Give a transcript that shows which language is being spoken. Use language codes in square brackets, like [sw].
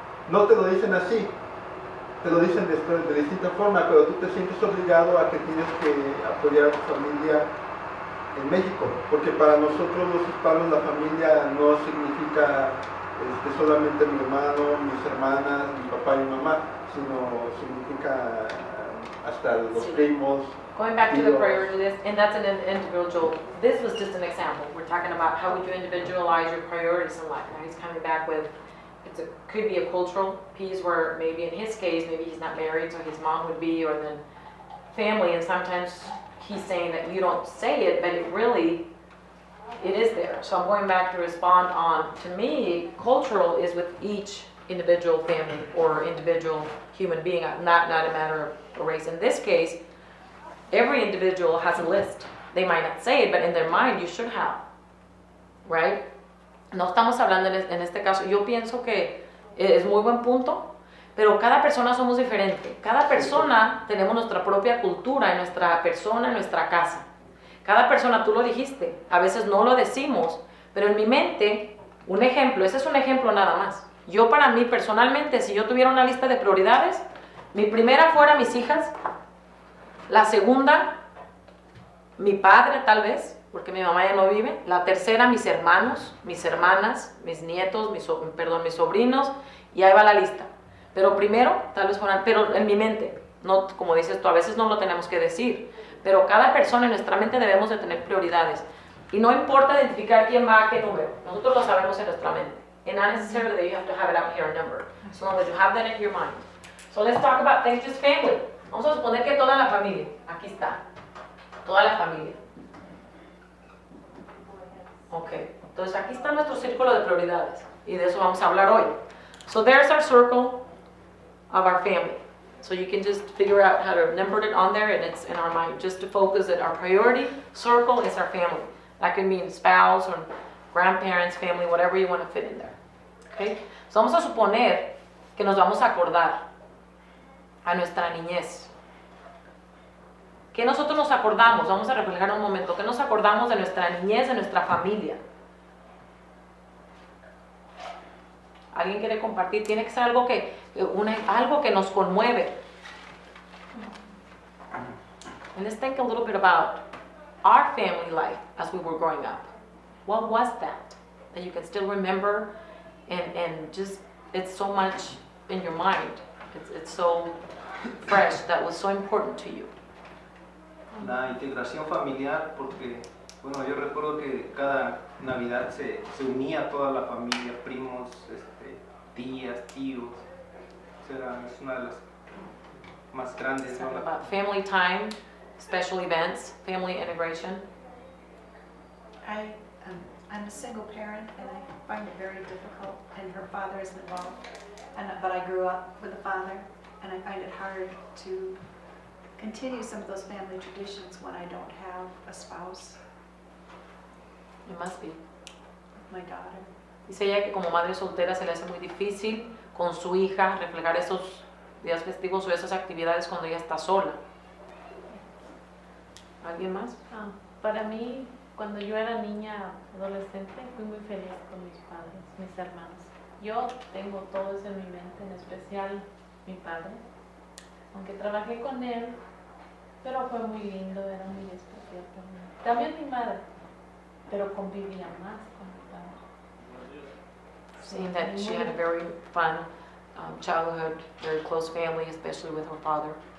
[es] No te lo dicen así, te lo dicen de distinta forma, pero tú te sientes obligado a que tienes que apoyar a tu familia en México, porque para nosotros los hispanos la familia no significa solamente mi hermano, mis hermanas, mi papá y mi mamá, sino significa hasta los primos. [en] Going back to the priority list, and that's an individual, this was just an example. We're talking about how would you individualize your priorities in life. Now he's coming back with, could be a cultural piece where maybe in his case, maybe he's not married, so his mom would be, or then family, and sometimes he's saying that you don't say it, but it really, it is there. So I'm going back to respond on, to me, cultural is with each individual family or individual human being, not a matter of a race. In this case, every individual has a list. They might not say it, but in their mind, you should have, right? [es] No estamos hablando en este caso. Yo pienso que es muy buen punto, pero cada persona somos diferente. Cada persona tenemos nuestra propia cultura en nuestra persona, en nuestra casa. Cada persona, tú lo dijiste, a veces no lo decimos, pero en mi mente, un ejemplo, ese es un ejemplo nada más. Yo para mí personalmente, si yo tuviera una lista de prioridades, mi primera fuera mis hijas, la segunda, mi padre tal vez, porque mi mamá ya no vive, la tercera, mis hermanos, mis hermanas, mis nietos, mis sobrinos, y ahí va la lista. Pero primero, tal vez fueran, pero en mi mente, no, como dices tú, a veces no lo tenemos que decir, pero cada persona en nuestra mente debemos de tener prioridades. Y no importa identificar quién va a qué número, nosotros lo sabemos en nuestra mente. [en] And not necessarily that you have to have it out here, a number. So long as you have that in your mind. So let's talk about things, just family. [es] Vamos a suponer que toda la familia, aquí está, toda la familia. Okay, entonces aquí está nuestro círculo de prioridades, y de eso vamos a hablar hoy. [en] So there's our circle of our family. So you can just figure out how to number it on there, and it's in our mind, just to focus that our priority circle is our family. That can mean spouse or grandparents, family, whatever you want to fit in there. Okay? [es] So vamos a suponer que nos vamos a acordar a nuestra niñez. ¿Qué nosotros nos acordamos? Vamos a reflejar un momento. ¿Qué nos acordamos de nuestra niñez, de nuestra familia? ¿Alguien quiere compartir? Tiene que ser algo que, algo que nos conmueve. [en] And let's think a little bit about our family life as we were growing up. What was that that you can still remember and just, it's so much in your mind. It's so fresh, that was so important to you. [es] La integración familiar, porque, bueno, yo recuerdo que cada Navidad se unía toda la familia, primos, tías, tíos. O sea, es una de las más grandes. [en] Talking about family time, special events, family integration. I'm a single parent, and I find it very difficult, and her father isn't involved, but I grew up with a father, and I find it hard to continue some of those family traditions when I don't have a spouse. It must be. My daughter. [es] Dice ella que como madre soltera se le hace muy difícil con su hija reflejar esos días festivos o esas actividades cuando ella está sola. ¿Alguien más? Para mí, cuando yo era niña adolescente, fui muy feliz con mis padres, mis hermanos. Yo tengo todo eso en mi mente, en especial mi padre. Aunque trabajé con él, pero fue muy lindo, era muy especial para mí. También mi madre, pero convivía más con mi padre. [en] Seeing that she had a very fun childhood, very close family, especially with her father.